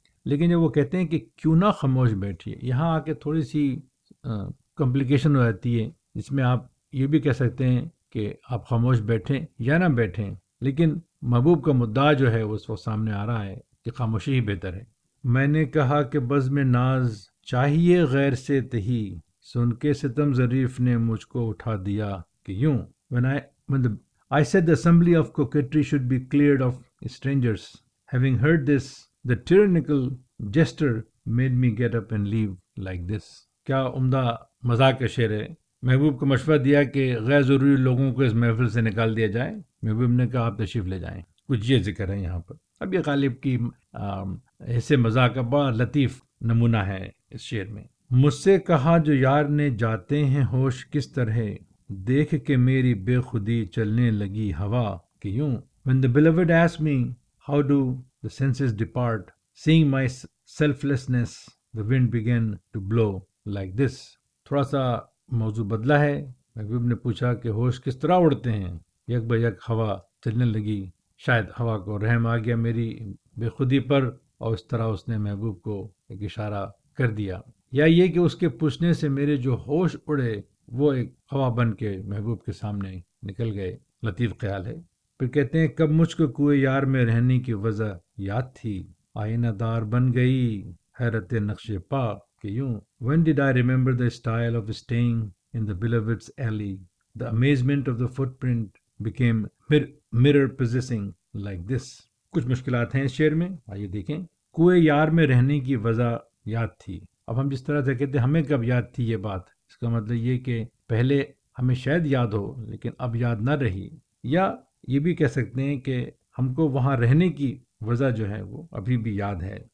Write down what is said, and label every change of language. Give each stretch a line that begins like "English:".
Urdu: لیکن جب وہ کہتے ہیں کہ کیوں نہ خاموش بیٹھیے، یہاں آ کے تھوڑی سی کمپلیکیشن ہو جاتی ہے، جس میں آپ یہ بھی کہہ سکتے ہیں کہ آپ خاموش بیٹھیں یا نہ بیٹھیں، لیکن محبوب کا مدعا جو ہے وہ اس وقت سامنے آ رہا ہے کہ خاموشی ہی بہتر ہے. میں نے کہا کہ بزم ناز چاہیے غیر سے تہی، سن کے ستم ظریف نے مجھ کو اٹھا دیا کہ یوں.
English: When I said the assembly of coquetry should be cleared of strangers, having heard this the tyrannical jester made me get up and leave like this.
Urdu: کیا عمدہ مذاق کا شعر ہے. محبوب کو مشورہ دیا کہ غیر ضروری لوگوں کو اس محفل سے نکال دیا جائے، محبوب نے کہا آپ تشریف لے جائیں. کچھ یہ ذکر ہے یہاں پر. اب یہ غالب کی ایسے مذاق کا بڑا لطیف نمونہ ہے اس شعر میں. مجھ سے کہا جو یار نے جاتے ہیں ہوش کس طرح، دیکھ کے میری بے خودی چلنے لگی ہوا کہ یوں.
English: When the beloved asked me how do the senses depart, seeing my selflessness the wind began to blow like this.
Urdu: تھوڑا سا موضوع بدلا ہے. محبوب نے پوچھا کہ ہوش کس طرح اڑتے ہیں، یک بہ یک ہوا چلنے لگی، شاید ہوا کو رحم آ گیا میری بے خودی پر، اور اس طرح اس نے محبوب کو ایک اشارہ کر دیا. یا یہ کہ اس کے پوچھنے سے میرے جو ہوش اڑے وہ ایک ہوا بن کے محبوب کے سامنے نکل گئے. لطیف خیال ہے. پھر کہتے ہیں کب مجھ کو کوئے یار میں رہنے کی وضع یاد تھی، آئینہ دار بن گئی حیرت نقش پا کہ یوں.
English: When did I remember the style of staying in the beloved's alley, the amazement of the footprint became mirror possessing like this.
Urdu: کچھ مشکلات ہیں اس شعر میں، آئیے دیکھیں. کوئے یار میں رہنے کی وضع یاد تھی، اب ہم جس طرح سے کہتے ہیں ہمیں کب یاد تھی یہ بات، اس کا مطلب یہ کہ پہلے ہمیں شاید یاد ہو لیکن اب یاد نہ رہی، یا یہ بھی کہہ سکتے ہیں کہ ہم کو وہاں رہنے کی وضع جو ہے وہ ابھی بھی یاد ہے.